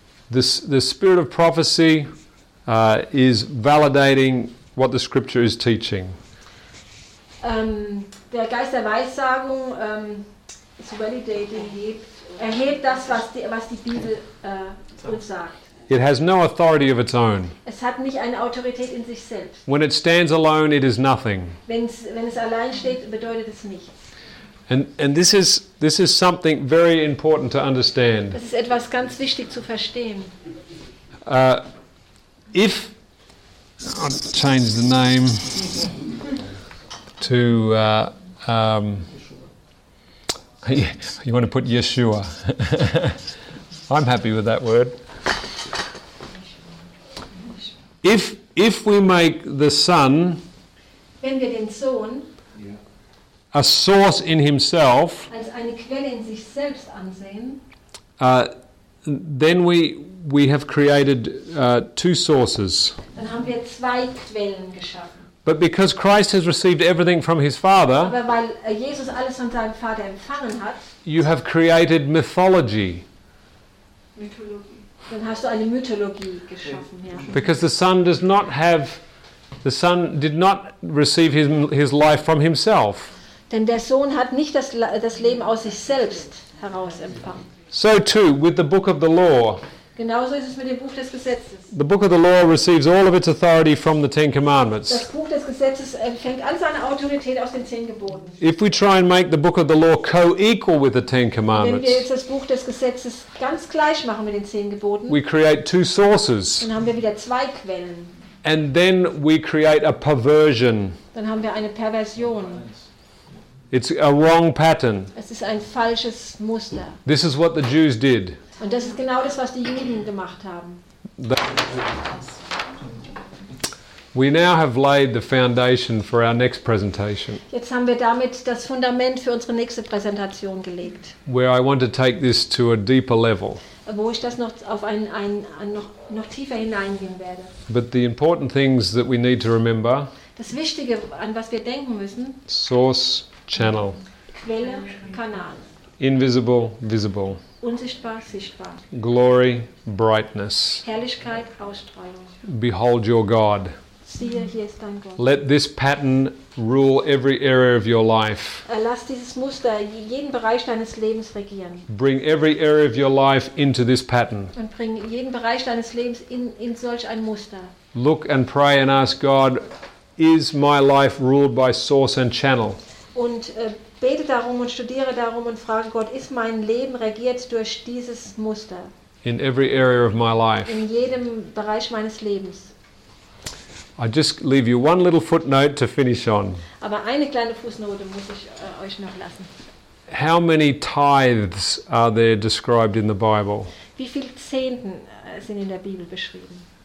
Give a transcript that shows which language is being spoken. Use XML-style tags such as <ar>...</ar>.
<en>The spirit of prophecy is validating what the scripture is teaching.</en> <de>Der Geist der Weissagung ist validating, erhebt das, was die Bibel uns sagt.</de> <en>It has no authority of its own.</en> <de>Es hat nicht eine Autorität in sich selbst.</de> <en>When it stands alone, it is nothing.</en> <de>Wenn es allein steht, bedeutet es nichts.</de> <en>And this is something very important to understand.</en> <de>Das ist etwas ganz wichtig zu verstehen.</de> <en>If I'll change the name to you want to put Yeshua. I'm happy with that word. If we make the Son,</en> <de>wenn wir den Sohn,</de> <en>a source in himself,</en> <de>als eine Quelle in sich selbst ansehen,</de> <en>then we have created two sources.</en> <de>Dann haben wir zwei Quellen geschaffen.</de> <en>But because Christ has received everything from his Father,</en> <de>aber weil Jesus alles von seinem Vater empfangen hat,</de> <en>you have created mythology.</en> <de>Mythologie. Dann hast du eine Mythologie geschaffen, ja.</de> <en>Because the Son did not receive his life from himself.</en> <de>Denn der Sohn hat nicht das Leben aus sich selbst heraus empfangen.</de> <en>So too with the book of the law.</en> <de>Genauso ist es mit dem Buch des Gesetzes.</de> <en>The book of the law receives all of its authority from the Ten Commandments.</en> <de>Das Buch des Gesetzes empfängt all seine Autorität aus den Zehn Geboten.</de> <en>If we try and make the book of the law co-equal with the Ten Commandments,</en> <de>wenn wir jetzt das Buch des Gesetzes ganz gleich machen mit den Zehn Geboten,</de> <en>we create two sources.</en> <de>Dann haben wir wieder zwei Quellen.</de> <en>And then we create a perversion.</en> <de>Dann haben wir eine Perversion.</de> <en>It's a wrong pattern.</en> <de>Es ist ein falsches Muster.</de> <en>This is what the Jews did.</en> <de>Und das ist genau das, was die Juden gemacht haben.</de> <en>We now have laid the foundation for our next presentation.</en> <de>Jetzt haben wir damit das Fundament für unsere nächste Präsentation gelegt.</de> <en>Where I want to take this to a deeper level.</en> <de>Wo ich das noch auf ein noch tiefer hineingehen werde.</de> <en>But the important things that we need to remember.</en> <de>Das Wichtige, an was wir denken müssen.</de> <en>Source, channel.</en> <de>Quelle, Kanal.</de> <en>Invisible, visible.</en> <de>Unsichtbar, sichtbar.</de> <en>Glory, brightness.</en> <de>Herrlichkeit, Ausstrahlung.</de> <en>Behold your God.</en> <de>Siehe, hier ist dein Gott.</de> <en>Let this pattern rule every area of your life.</en> <de>Lass dieses Muster jeden Bereich deines Lebens regieren.</de> <en>Bring every area of your life into this pattern.</en> <de>Und bring jeden Bereich deines Lebens in solch ein Muster.</de> <en>Look and pray and ask God, is my life ruled by source and channel?</en> <de>Und bete darum und studiere darum und frage Gott, ist mein Leben regiert durch dieses Muster?</de> <en>In every area of my life.</en> <de>In jedem Bereich meines Lebens.</de> <en>I just leave you one little footnote to finish on.</en> <de>Aber eine kleine Fußnote muss ich euch noch lassen.</de> <en>How many tithes are there described in the Bible?</en> <de>Wie viele Zehnten sind in der Bibel beschrieben?</de>